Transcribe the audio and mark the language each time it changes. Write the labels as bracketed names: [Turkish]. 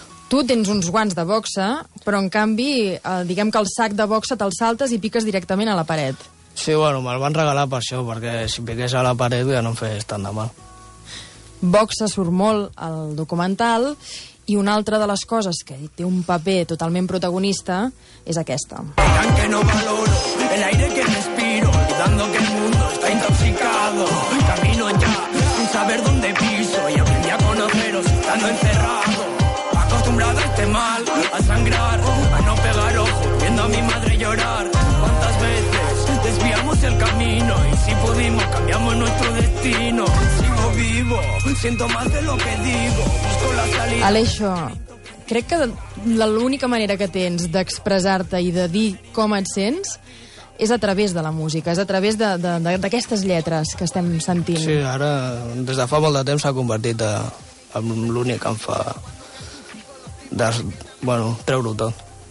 [Catalan] Tu tens uns guants de boxa, però en canvi, diguem que el sac de boxa te'l saltes i piques directament a la paret. Sí, bueno, me'l van regalar per això, perquè si piqués a la paret ja no em feia tant de mal. Boxa surt molt al documental, i una altra de les coses que té un paper totalment protagonista és aquesta. [Spanish] Diran que no valoro el aire que respiro, olvidando que el mundo está intoxicado. Camino ya, sin saber dónde piso, y aprendí a conoceros estando encerrado. Acostumbrado a este mal, a sangrar, a no pegar ojo, viendo a mi madre llorar. ¿Cuántas veces desviamos el camino? Y si pudimos, cambiamos nuestro destino. Sigo vivo, siento más de lo que digo, busco la salida. [Catalan] Aleixo, crec que l'única manera que tens d'expressar-te i de dir com et sents és a través de la música, és a través d'aquestes lletres que estem sentint. Sí, ara, des de fa molt de temps, s'ha convertit en l'únic que em fa treure-ho tot.